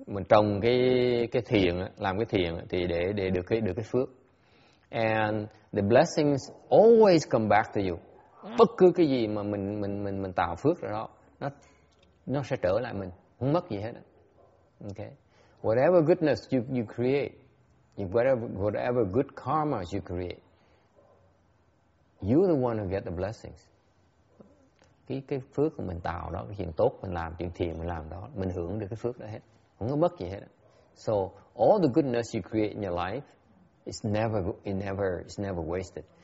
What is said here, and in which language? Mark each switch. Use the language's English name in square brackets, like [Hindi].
[Vietnamese] Mình trồng cái thiện, làm cái thiện thì để được cái phước. [English] And the blessings always come back to you. [Vietnamese] Bất cứ cái gì mà mình tạo phước đó, nó sẽ trở lại mình, không mất gì hết. [English] Okay. Whatever goodness you create, whatever good karma you create, you're the one who get the blessings. [Vietnamese] Cái phước của mình tạo đó, cái chuyện tốt mình làm, chuyện thiện mình làm đó, mình hưởng được cái phước đó hết, không có mất gì hết. [English] So all the goodness you create in your life, it's never wasted.